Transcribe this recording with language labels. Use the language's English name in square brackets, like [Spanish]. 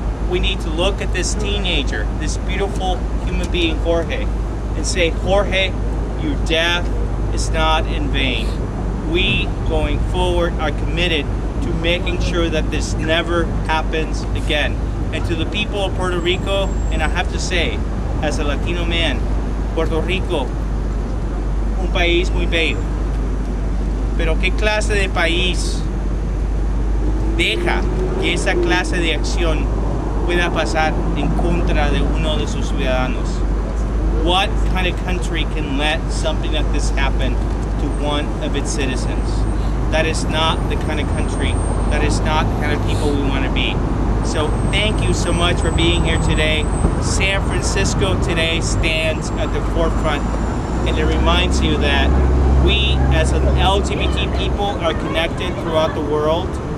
[English] We need to look at this teenager, this beautiful human being, Jorge, and say, Jorge, your death is not in vain. We, going forward, are committed to making sure that this never happens again. And to the people of Puerto Rico, and I have to say, as a Latino man, Puerto Rico, [Spanish] un país muy bello. Pero qué clase de país deja que esa clase de acción pueda pasar en contra de uno de sus ciudadanos? [English] What kind of country can let something like this happen to one of its citizens? That is not the kind of country, that is not the kind of people we want to be. So thank you so much for being here today. San Francisco today stands at the forefront, and it reminds you that we as an LGBT people are connected throughout the world.